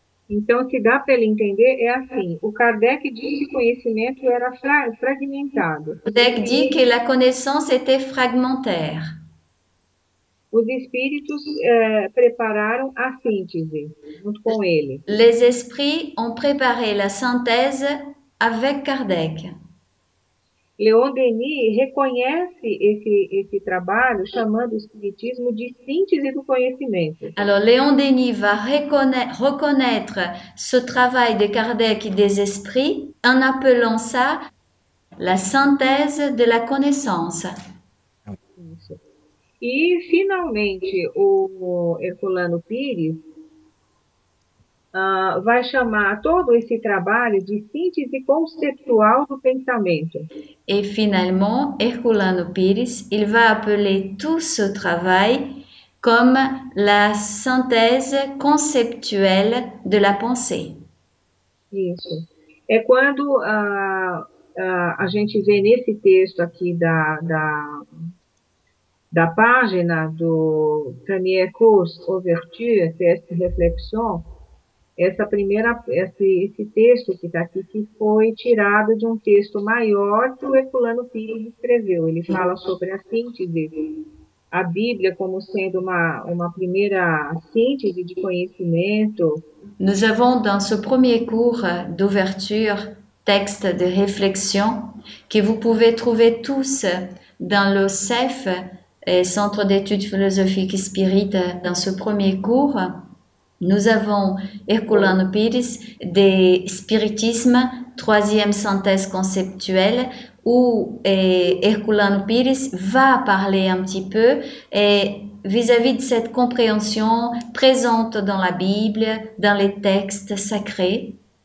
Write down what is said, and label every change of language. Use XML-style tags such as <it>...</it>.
<pt>Então, se dá para ele entender, é assim: o Kardec disse que o conhecimento era fragmentado.</pt> <fr>Kardec dit que la connaissance était fragmentaire.</fr> <pt>Os espíritos prepararam a síntese, junto com ele.</pt> <fr>Les esprits ont préparé la synthèse avec Kardec.</fr> <pt>Léon Denis reconhece esse trabalho chamando o espiritismo de síntese do conhecimento.</pt> <fr>Alors, Léon Denis va reconnaître ce travail de Kardec et des esprits en appelant ça la synthèse de la connaissance.</fr> <pt>E, finalmente, o Herculano Pires, vai chamar todo esse trabalho de síntese conceptual do pensamento.</pt> <fr>Et finalement, Herculano Pires, il va appeler tout ce travail comme la synthèse conceptuelle de la pensée.</fr> <pt>Isso. É quando a gente vê nesse texto aqui da página do Premier Cours Ouverture, Teste Reflexão, esse texto que está aqui, que foi tirado de um texto maior que o Herculano Pires escreveu. Ele fala sobre a síntese, a Bíblia como sendo uma primeira síntese de conhecimento.</pt> <fr>Nous avons dans ce premier cours d'ouverture, texte de réflexion, que vous pouvez trouver tous dans le CEF, Centre d'études philosophiques et spirites, dans ce premier cours, nous avons Herculano Pires, des spiritismes, troisième synthèse conceptuelle, où Herculano Pires va parler un petit peu et vis-à-vis de cette compréhension présente dans la Bible, dans les textes sacrés.</fr>